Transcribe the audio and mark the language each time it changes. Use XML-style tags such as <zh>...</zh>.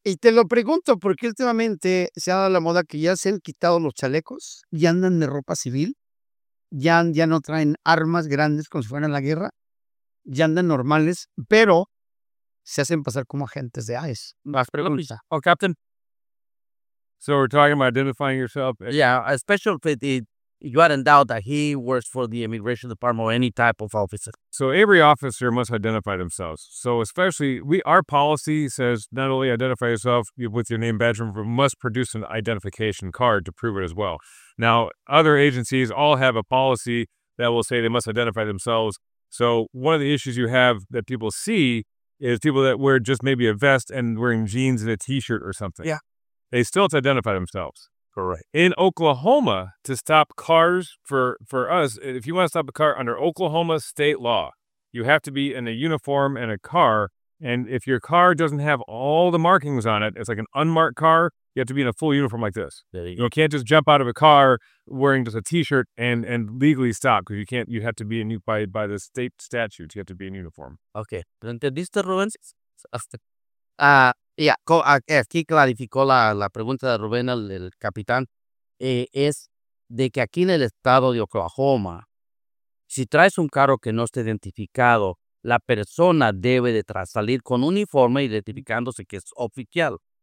<es>Y te lo pregunto porque últimamente se ha dado la moda que ya se han quitado los chalecos, ya andan de ropa civil, ya no traen armas grandes como si fueran la guerra, ya andan normales, pero se hacen pasar como agentes de ICE. Más preguntas.</es> <en>Oh, Captain. So we're talking about identifying yourself. Yeah, especially if it, you are in doubt that he works for the immigration department or any type of officer. So every officer must identify themselves. So especially, we our policy says not only identify yourself with your name badge number, but must produce an identification card to prove it as well. Now, other agencies all have a policy that will say they must identify themselves. So one of the issues you have that people see is people that wear just maybe a vest and wearing jeans and a t-shirt or something. Yeah. They still have to identify themselves. Correct. In Oklahoma, to stop cars for us, if you want to stop a car under Oklahoma state law, you have to be in a uniform and a car. And if your car doesn't have all the markings on it, it's like an unmarked car, you have to be in a full uniform like this. You can't just jump out of a car wearing just a t-shirt and legally stop because you can't. You have to be in by the state statutes. You have to be in uniform. Okay.</en> <es>¿Entendiste, Rubén? Aquí clarificó la pregunta de Rubén, el capitán, es de que aquí en el estado de Oklahoma, si traes un carro que no esté identificado, la persona debe de salir con un informe identificándose que es oficial.</es>